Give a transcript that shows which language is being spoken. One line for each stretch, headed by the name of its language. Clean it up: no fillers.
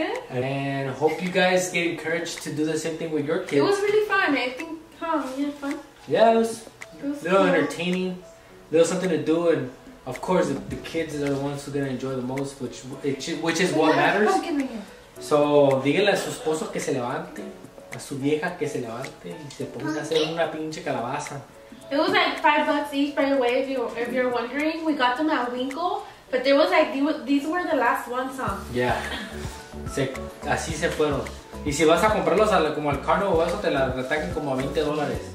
English: And hope you guys get encouraged to do the same thing with your kids. It was really fun. I think, huh? Yeah, fun. Yeah, it was a little fun. Entertaining, a little something to do, and of course the kids are the ones who are gonna enjoy the most, which is what matters.
Spanish: So, dígale a su esposo que se levante, a su vieja que se levante y se ponga a hacer una pinche calabaza.
English: It was like $5 each, by the way. If you're wondering, we got them at Winkle, but there was like these were the last ones, huh?
Spanish: Yeah. Así se fueron. Y si vas a comprarlos como al carno o eso, te la retaquen como a $20.